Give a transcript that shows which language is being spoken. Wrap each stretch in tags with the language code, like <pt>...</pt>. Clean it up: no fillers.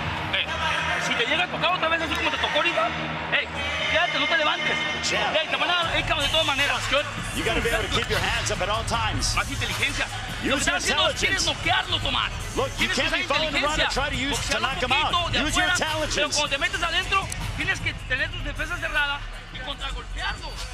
<es>Hey, si te llega a tocar otra vez así como te tocó ahorita, hey, quédate, no te levantes. Hey, te van a dar de todas maneras.</es> <en>You gotta be able to keep your hands up at all times.</en> <es>Más inteligencia.</es> <en>Use your intelligence. Look, you can't be following around and try to use to knock him out. Use your intelligence.</en> <es>Pero cuando te metes adentro, tienes que tener tus defensas cerradas y contragolpearlo.</es>